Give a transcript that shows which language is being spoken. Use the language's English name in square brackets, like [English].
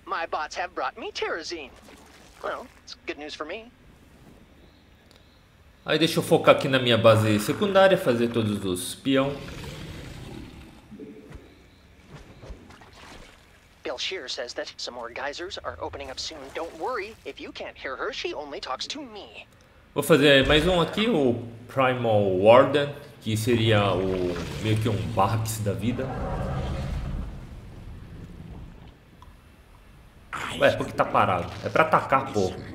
[English] My bots have brought me Terezin. Well, it's good news for me. [Portuguese] Aí deixa eu focar aqui na minha base secundária, fazer todos os peão. [English] Bill Shear says that some more geysers are opening up soon. Don't worry, if you can't hear her, she only talks to me. [Portuguese] Vou fazer mais um aqui, o Primal Warden, que seria o meio que um Bax da vida. Ué, por que tá parado? É pra atacar, pô.